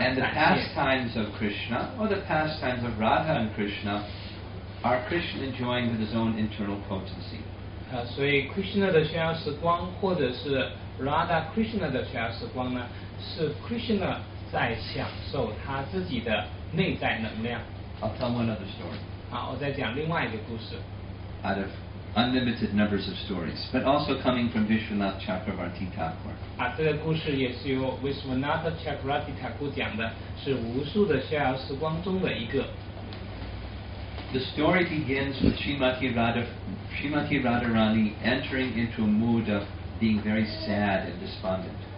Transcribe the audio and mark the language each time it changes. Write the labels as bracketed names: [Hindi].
[English] And the pastimes of Krishna or the pastimes of Radha and Krishna are Krishna enjoying with his own internal potency. [Chinese] 所以 Krishna 的逍遥时光，或者是 Radha Krishna 的逍遥时光呢，是 Krishna 在享受他自己的内在能量。 [English] I'll tell another story. [Chinese] 好，我再讲另外一个故事。 [English] Out of unlimited numbers of stories, but also coming from Vishwanath Chakravarti Thakur. [Chinese] 这个故事也是由 Vishwanath Chakravarti Thakur 讲的，是无数的逍遥时光中的一个。 [English] The story begins with Srimati Radharani entering into a mood of being very sad and despondent.